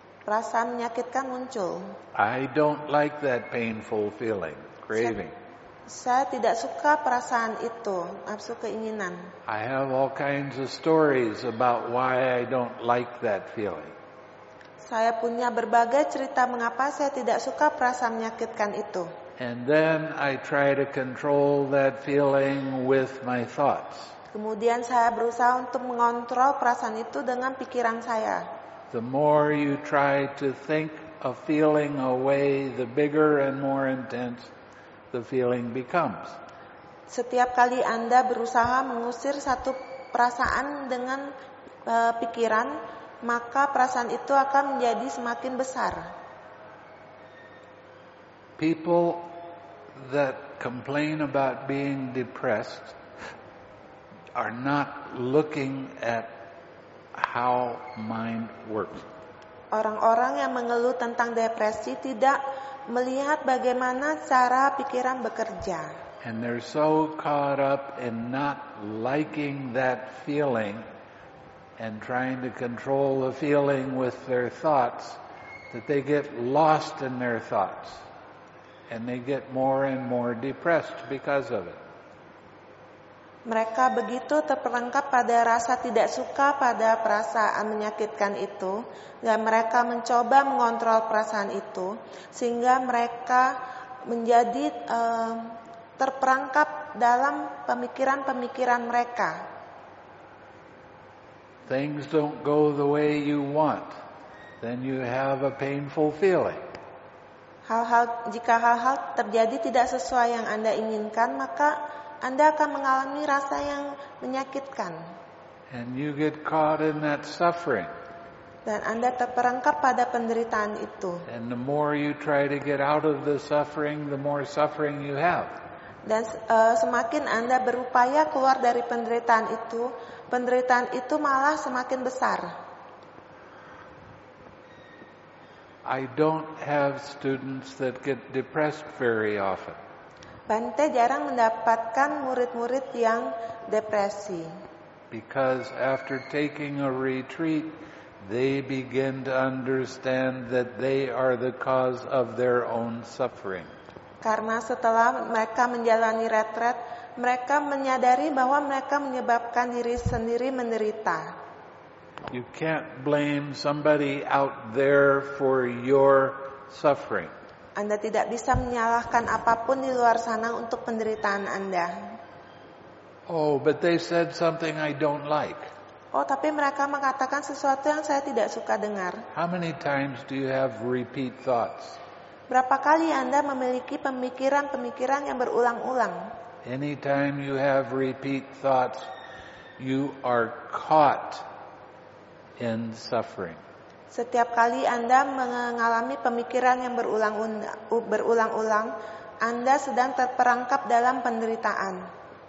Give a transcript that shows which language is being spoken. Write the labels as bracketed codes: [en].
[id] rasa menyakitkan muncul. [en] I don't like that painful feeling, craving. [id] Saya tidak suka perasaan itu, nafsu keinginan. [en] I have all kinds of stories about why I don't like that feeling. [id] Saya punya berbagai cerita mengapa saya tidak suka perasaan menyakitkan itu. [en] And then I try to control that feeling with my thoughts. [id] Kemudian saya berusaha untuk mengontrol perasaan itu dengan pikiran saya. [en] The more you try to think a feeling away, the bigger and more intense the feeling becomes. [id] Setiap kali Anda berusaha mengusir satu perasaan dengan pikiran, maka perasaan itu akan menjadi semakin besar. [en] People that complain about being depressed are not looking at how mind works. [id] Orang-orang yang mengeluh tentang depresi tidak melihat bagaimana cara pikiran bekerja. [en] And they're so caught up in not liking that feeling and trying to control the feeling with their thoughts that they get lost in their thoughts and they get more and more depressed because of it. [id] Mereka begitu terperangkap pada rasa tidak suka pada perasaan menyakitkan itu, dan mereka mencoba mengontrol perasaan itu, sehingga mereka menjadi terperangkap dalam pemikiran-pemikiran mereka. [en] Things don't go the way you want, then you have a painful feeling. [id] Jika hal-hal terjadi tidak sesuai yang Anda inginkan, maka Anda akan mengalami rasa yang menyakitkan. [en] And you get caught in that suffering. [id] Dan Anda terperangkap pada penderitaan itu. [en] And the more you try to get out of the suffering, the more suffering you have. [id] Dan semakin Anda berupaya keluar dari penderitaan itu malah semakin besar. [en] I don't have students that get depressed very often. [id] Bante jarang mendapatkan murid-murid yang depresi. [en] Because after taking a retreat, they begin to understand that they are the cause of their own suffering. [id] Karena setelah mereka menjalani retret, mereka menyadari bahwa mereka menyebabkan diri sendiri menderita. [en] You can't blame somebody out there for your suffering. [id] Anda tidak bisa menyalahkan apapun di luar sana untuk penderitaan Anda. [en] Oh, but they said something I don't like. [id] Oh, tapi mereka mengatakan sesuatu yang saya tidak suka dengar. [en] How many times do you have repeat thoughts? [id] Berapa kali Anda memiliki pemikiran-pemikiran yang berulang-ulang? [en] Anytime you have repeat thoughts, you are caught in suffering. [id] Setiap kali Anda mengalami pemikiran yang berulang-ulang, Anda sedang terperangkap dalam penderitaan.